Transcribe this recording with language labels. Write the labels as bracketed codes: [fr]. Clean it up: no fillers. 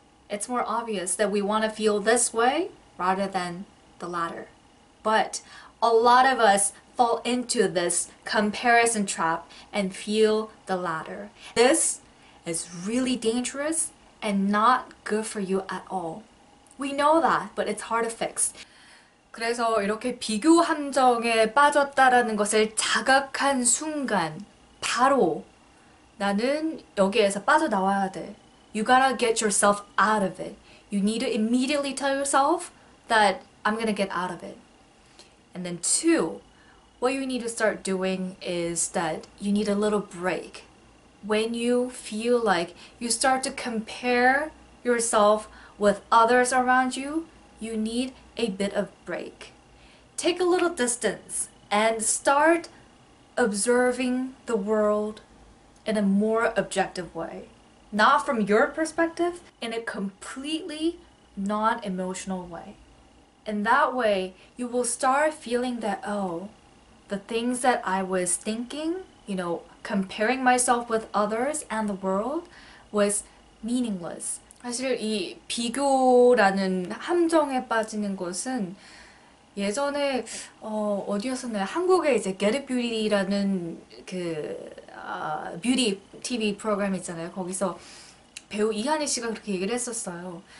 [en] It's more obvious that we want to feel this way rather than the latter. But a lot of us fall into this comparison trap and feel the latter. This is really dangerous and not good for you at all. We know that, but it's hard to fix. [ko] 그래서 이렇게 비교 함정에 빠졌다라는 것을 자각한 순간, 바로 나는 여기에서 빠져나와야 돼. [en] You gotta get yourself out of it. You need to immediately tell yourself that I'm gonna get out of it. And then two, what you need to start doing is that you need a little break. When you feel like you start to compare yourself with others around you need a bit of break. Take a little distance and start observing the world in a more objective way. Not from your perspective, in a completely non-emotional way. And that way, you will start feeling that, oh, the things that I was thinking, you know, comparing myself with others and the world was meaningless. [ko] 사실 이 비교라는 함정에 빠지는 것은 예전에 어디였었나요? 한국에 이제 Get a Beauty라는 그 뷰티 TV 프로그램 있잖아요. 거기서 배우 이한희 씨가 그렇게 얘기를 했었어요.